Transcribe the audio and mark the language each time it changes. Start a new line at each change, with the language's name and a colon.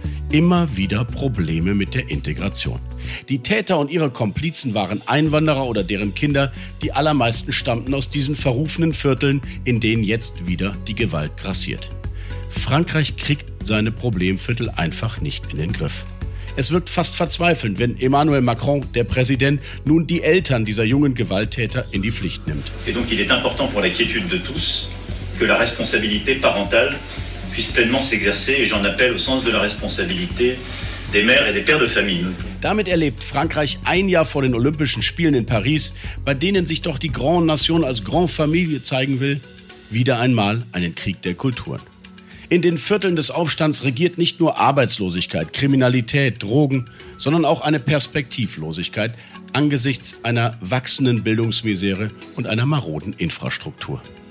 German: Immer wieder Probleme mit der Integration. Die Täter und ihre Komplizen waren Einwanderer oder deren Kinder, die allermeisten stammten aus diesen verrufenen Vierteln, in denen jetzt wieder die Gewalt grassiert. Frankreich kriegt seine Problemviertel einfach nicht in den Griff. Es wirkt fast verzweifelnd, wenn Emmanuel Macron, der Präsident, nun die Eltern dieser jungen Gewalttäter in die Pflicht nimmt.
French: Et donc il est important pour l'inquiétude de tous que la responsabilité parentale puisse pleinement s'exercer et j'en appelle au sens de la responsabilité des mères et des pères de famille.
German: Damit erlebt Frankreich ein Jahr vor den Olympischen Spielen in Paris, bei denen sich doch die Grande Nation als Grande Familie zeigen will, wieder einmal einen Krieg der Kulturen. In den Vierteln des Aufstands regiert nicht nur Arbeitslosigkeit, Kriminalität, Drogen, sondern auch eine Perspektivlosigkeit angesichts einer wachsenden Bildungsmisere und einer maroden Infrastruktur.